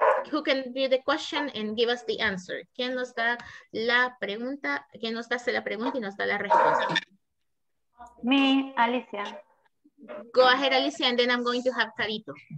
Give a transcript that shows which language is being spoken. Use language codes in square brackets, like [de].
[en] Who can read the question and give us the answer? [es] ¿Quién nos da la pregunta? ¿Quién nos hace la pregunta y nos da la respuesta? [en] Me, Alicia. Go ahead, Alicia, and then I'm going to have Carito.